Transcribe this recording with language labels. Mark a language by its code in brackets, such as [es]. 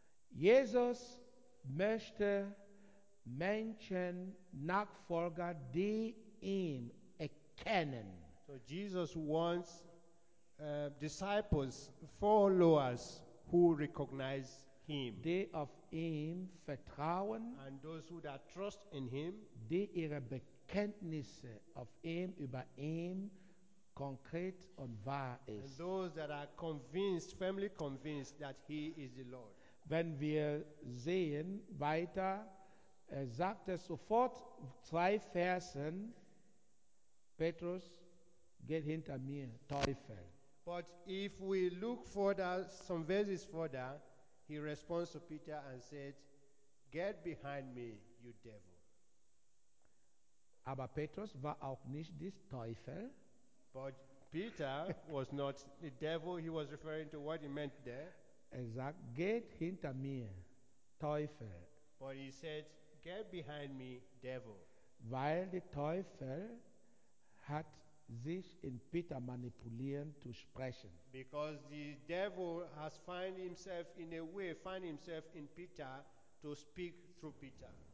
[de] Jesus möchte Menschen Nachfolger, die ihm erkennen. [en] So Jesus wants disciples, followers who recognize him. [de] Die auf ihm vertrauen. [en] And those who that trust in him. [de] Die ihre Bekenntnisse auf ihm, über ihm konkret und wahr ist. [en] And those that are convinced, firmly convinced that he is the Lord. [de] Wenn wir sehen weiter, er sagte sofort zwei Versen, Petrus, geht hinter mir, Teufel. [en] But if we look further, some verses further, he responds to Peter and said, get behind me, you devil. [de] Aber Petrus war auch nicht des Teufel. [en] But Peter was not the devil, he was referring to what he meant there. [de] Er sagt, geht hinter mir, Teufel. [en] But he said, get behind me, devil. [de] Weil der Teufel hat sich in Peter manipulieren zu sprechen. [en] Because the devil has found himself in a way, find himself in Peter to speak through Peter.